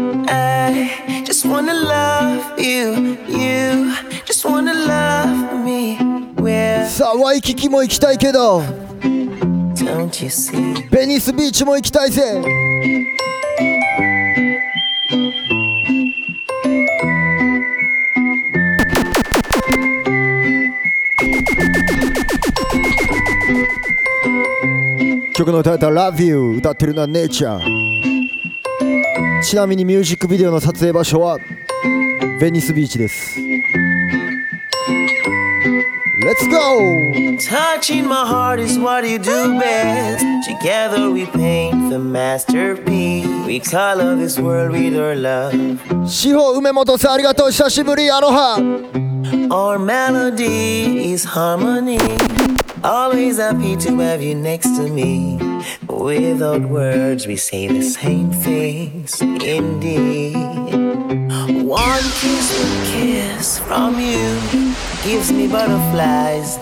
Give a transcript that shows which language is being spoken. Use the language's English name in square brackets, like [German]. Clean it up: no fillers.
[English] I just wanna love you, you just wanna love me, where? [Japanese] さあ、ワイキキも行きたいけど、 [English] don't you see? [Japanese] ベニスビーチも行きたいぜ。曲のタイトル Love You、 歌ってるのはネイチャー。ちなみにミュージックビデオの撮影場所はベニスビーチです。 [English] Let's go! Touching my heart is what you do best. Together we paint the masterpiece. We color this world with our love. [Japanese] 志保梅本さんありがとう、久しぶり、アロハ。 [English] Our melody is harmonyAlways happy to have you next to me. Without words, we say the same things. Indeed, one kiss, a kiss from you gives me butterflies.